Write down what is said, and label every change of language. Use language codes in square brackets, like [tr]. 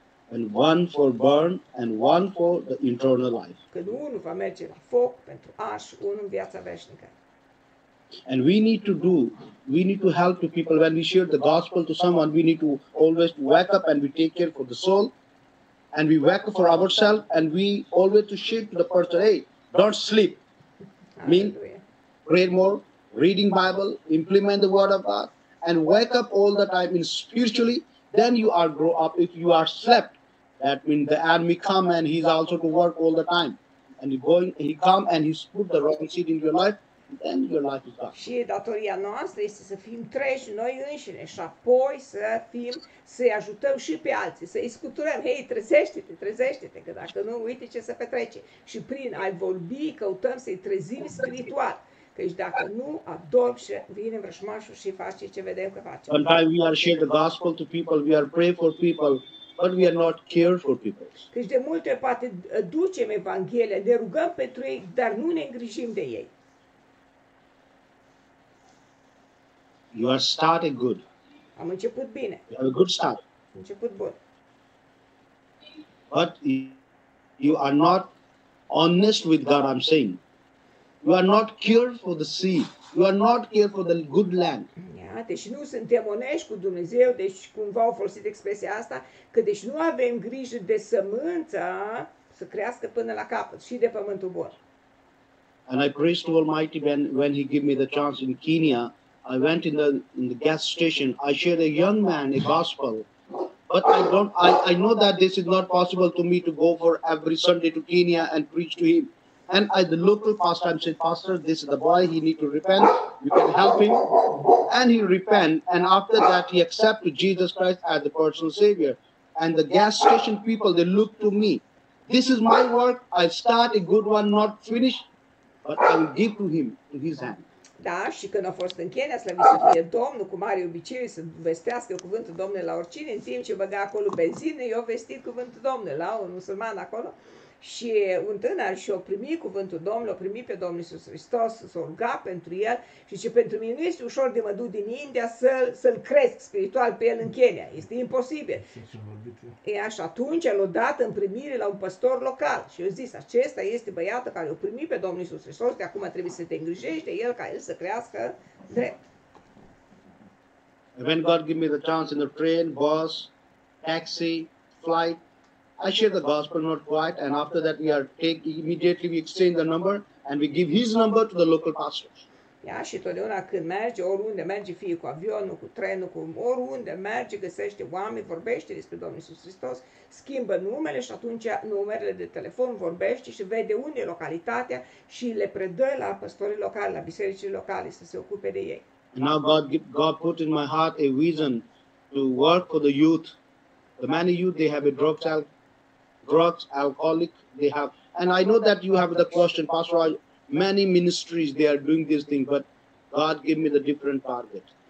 [en] And one for burn and one for the eternal life. [ro] Când unul va merge la foc pentru aș, unul în viața veșnică. [en] And we need to help the people when we share the gospel to someone. We need to always wake up and we take care for the soul. and we wake for ourselves, and we always to shift the person, hey, don't sleep. Hallelujah. Mean, pray more, reading Bible, implement the word of God, and wake up all the time in spiritually, then you are grow up. If you are slept, that means the enemy come and he's also to work all the time. And he come and he's put the wrong seed in your life, then your life is gone. [ro] Și datoria noastră este să fim treci noi înșine și apoi să fim, să-i ajutăm și pe alții, să-i scuturăm. Hei, trezește-te, trezește-te, că dacă nu, uite ce se petrece. Și prin a-i vorbi, căutăm să-i trezim spiritual. Căci dacă nu, adorm și vine vrășmașul și face ce vedem că face. [en] One time we are sharing the gospel to people, we are praying for people, but we are not care for people. [ro] Căci de multe ori poate ducem Evanghelia, ne rugăm pentru ei, dar nu ne îngrijim de ei. [en] You are starting good. [ro] Am început bine. [en] You have a good start. [ro] Am început bun. [en] But you are not honest with God, I'm saying. You are not cared for the sea. You are not cared for the good land. [ro] Yeah, deci nu suntem onești cu Dumnezeu, deci cumva au folosit expresia asta, că deci nu avem grijă de sămânță să crească până la capăt și de pământul bun. [en] And I praised the Almighty when he gave me the chance in Kenya. I went in the gas station. I shared a young man a gospel. But I know that this is not possible to me to go for every Sunday to Kenya and preach to him. And the local pastor, I said, Pastor, this is the boy, he need to repent. You can help him. And he repent. And after that, he accepted Jesus Christ as the personal savior. And the gas station people, they look to me. This is my work. I start a good one, not finish. But I will give to him, to his hand. [ro] Da, și când a fost în Kenya, slăvit să fie Domnul, cu mare obicei să vestească cuvântul Domnului la oricine, în timp ce băga acolo benzină, i-a vestit cuvântul Domnului la un musulman acolo. Și un tânăr și-a primit cuvântul Domnului, a primit pe Domnul Iisus Hristos, s-a rugat pentru el și zice, pentru mine nu este ușor de mă duc din India să-l cresc spiritual pe el în Kenya. Este imposibil. E așa, atunci l-a dat în primire la un păstor local și a zis, acesta este băiatul care l-a primit pe Domnul Iisus Hristos, de acum trebuie să te îngrijești de el ca el să crească drept. [en] When God gave me the chance in the train, bus, taxi, flight, I share the gospel not quite, and after that we are take immediately we exchange the number and we give his number to the local pastors. [ro] Ia și totdeauna când merge, oriunde merge, fie cu avionul, cu trenul, cu oriunde merge, găsește oameni, vorbește despre Domnul Iisus Hristos, schimbă numele și atunci numerele de telefon, vorbește și vede unde e localitatea și le predă la păstorii locali, la bisericii locale să se ocupe de ei. [en] Now God put in my heart a vision to work for the youth. The many youth, they have a drugs, alcoholic, they have. And I know that you have the question, Pastor, many ministries, they are doing this thing, but God give me the different target.